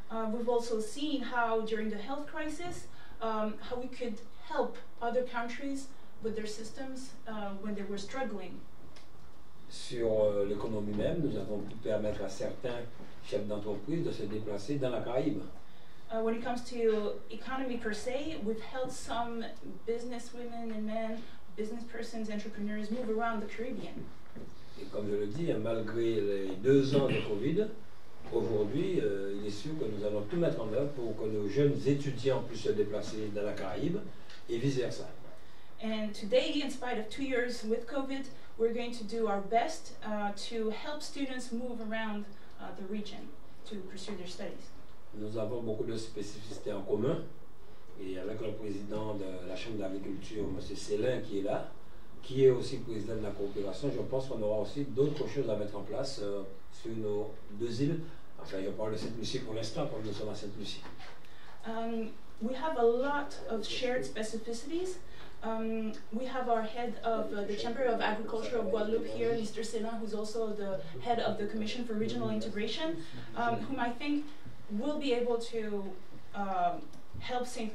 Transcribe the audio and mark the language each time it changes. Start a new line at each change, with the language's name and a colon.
English: We've also seen how during the health crisis, how we could help other countries with their systems when they were struggling.
French: Sur l'économie même, nous avons pu permettre à certains chefs d'entreprise de se déplacer dans la Caraïbe.
English: When it comes to economy per se, we've helped some business women and men, business persons, entrepreneurs move around the Caribbean.
French: Et comme je le dis, malgré les deux ans de Covid, aujourd'hui, il est sûr que nous allons tout mettre en œuvre pour que nos jeunes étudiants puissent se déplacer dans la Caraïbe et vice-versa.
English: And today, in spite of 2 years with COVID, we're going to do our best to help students move around the region to pursue their studies.
French: Nous avons beaucoup de spécificités en commun. Et avec le président de la Chambre d'agriculture, M. Célin, qui est là, qui est aussi président de la coopération, je pense qu'on aura aussi d'autres choses à mettre en place sur nos deux îles. Enfin, je parle de Sainte-Lucie pour l'instant, comme nous sommes à Sainte-Lucie.
English: We have a lot of shared specificities. We have our head of the Chamber of Agriculture of Guadeloupe here, Mr. Célin, who's also the head of the Commission for Regional Integration, whom I think will be able to help St.